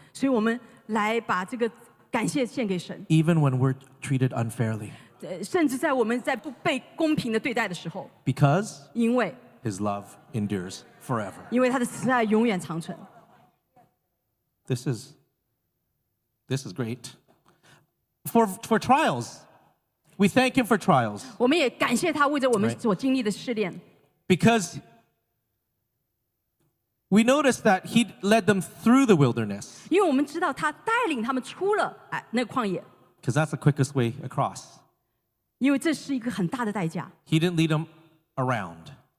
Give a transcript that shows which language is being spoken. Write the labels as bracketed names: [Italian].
[Chinese] 所以我们来把这个感谢献给神。 [English] Even when we're treated unfairly. [Chinese] 甚至在我们在不被公平的对待的时候。 [English] Because? [Chinese] 因为。 [English] His love endures forever. [Chinese] 因为他的慈爱永远长存。 [English] This is great. For trials. We thank him for trials. [Chinese] 我们也感谢他为着我们所经历的试炼。 [English] Because we noticed that he led them through the wilderness. Because that's the quickest way across. He didn't lead them around.